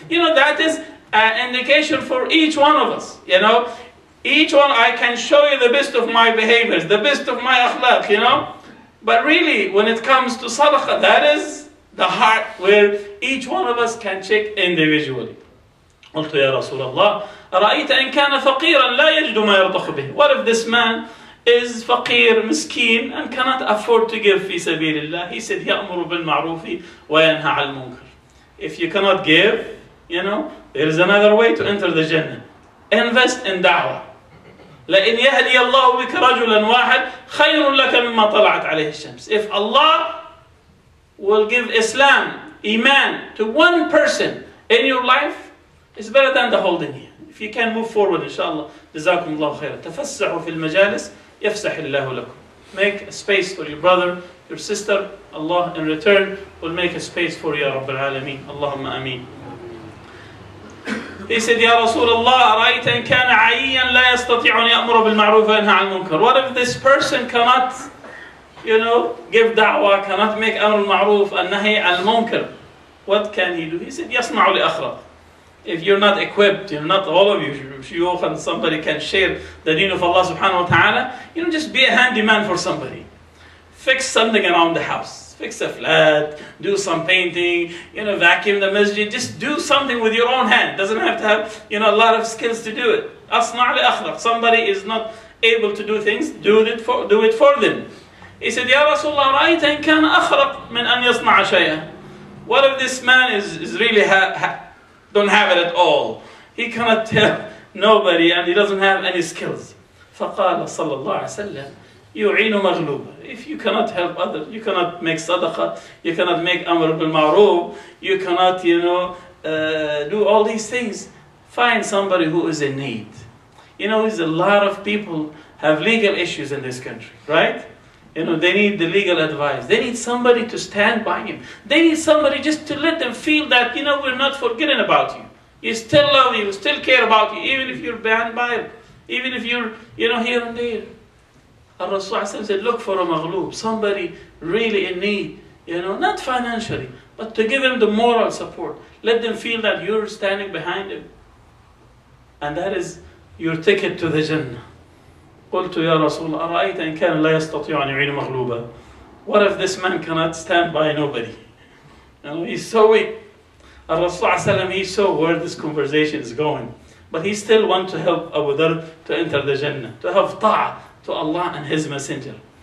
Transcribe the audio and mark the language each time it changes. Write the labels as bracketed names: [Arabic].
[English] You know, that is an indication for each one of us, you know. Each one, I can show you the best of my behaviors, the best of my akhlaq, you know. But really, when it comes to sadaqah, that is the heart where each one of us can check individually. [Arabic] قلت يا رسول الله رأيت إن كان فقيرا لا يجد ما يرضخ به. [English] What if this man is [Arabic] فقير مسكين [English] and cannot afford to give [Arabic] في سبيل الله. [English] He said [Arabic] يأمر بالمعروف وينهى عن المنكر. [English] If you cannot give, you know, there is another way to enter the Jannah. Invest in دعوة. [Arabic] لأن يهدي الله بك رجلا واحد خير لك مما طلعت عليه الشمس. [English] If Allah will give Islam, Iman to one person in your life, it's better than the whole dunya. If you can move forward, inshallah, [Arabic] جزاكم الله خيرا. تفسحوا في المجالس يفسح الله لكم. [English] Make a space for your brother, your sister. Allah in return will make a space for you, [Arabic] رب العالمين. اللهم آمين. [English] He said, [Arabic] يا رسول الله رأيت إن كان عييا لا يستطيع أن يأمر بالمعروف وينهى عن المنكر. [English] What if this person cannot, you know, give دعوة, cannot make [Arabic] أمر المعروف النهي عن المنكر. [English] What can he do? He said, [Arabic] يصنع لأخرق. [English] If you're not equipped, you're not all of you, شيوخ and somebody can share the deen of Allah subhanahu wa ta'ala, you know, just be a handyman for somebody. Fix something around the house. Fix a flat, do some painting, you know, vacuum the masjid. Just do something with your own hand. Doesn't have to have, you know, a lot of skills to do it. [Arabic] أصنع لأخرق. [English] Somebody is not able to do things, do it for them. [Arabic] He said, يَا رَسُولَ اللَّهُ رَأَيْتَ إِنْ كَانَ أَخْرَقْ مِنْ أَنْ يَصْنَعَ شَيْئًا. [English] What if this man is really don't have it at all? He cannot tell nobody and he doesn't have any skills. [Arabic] فَقَالَ صَلَّى اللَّهُ عَلَيْهِ وَسَلَّمَ يُعِينُ مَغْلُوبًا. [English] If you cannot help others, you cannot make sadaqa, you cannot make amr bil ma'roof, you cannot, you know, do all these things, find somebody who is in need. You know, there's a lot of people have legal issues in this country, right? You know, they need the legal advice. They need somebody to stand by him. They need somebody just to let them feel that, you know, we're not forgetting about you. You still love you, still care about you, even if you're banned by it, even if you're, you know, here and there. Al-Rasul said, look for a maghloob, somebody really in need, you know, not financially, but to give him the moral support. Let them feel that you're standing behind him. And that is your ticket to the Jannah. [Arabic] قلت يا رسول الله أرأيت إن كان لا يستطيع أن يعين مغلوبا. [English] What if this man cannot stand by nobody? And he's so weak. [Arabic] الرسول صلى الله عليه وسلم, [English] he saw where this conversation is going. But he still want to help Abu Dhar to enter the Jannah, to have ta'a to Allah and his messenger.